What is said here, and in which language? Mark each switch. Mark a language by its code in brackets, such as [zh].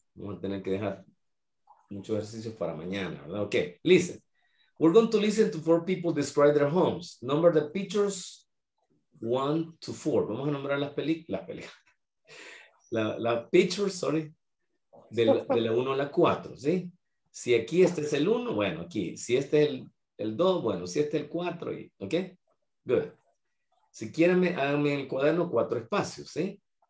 [es] Vamos a tener que dejar muchos ejercicios para mañana, ¿verdad? [en] Okay. Listen. We're going to listen to four people describe their homes. Number the pictures 1 to 4. [es] Vamos a nombrar las pictures, de la 1 a la 4, ¿sí? Si aquí este es el 1, bueno, aquí. Si este es el 2, bueno, si este es el 4, ¿ok? Good. Si quieren, háganme en el cuaderno 4 espacios, ¿sí?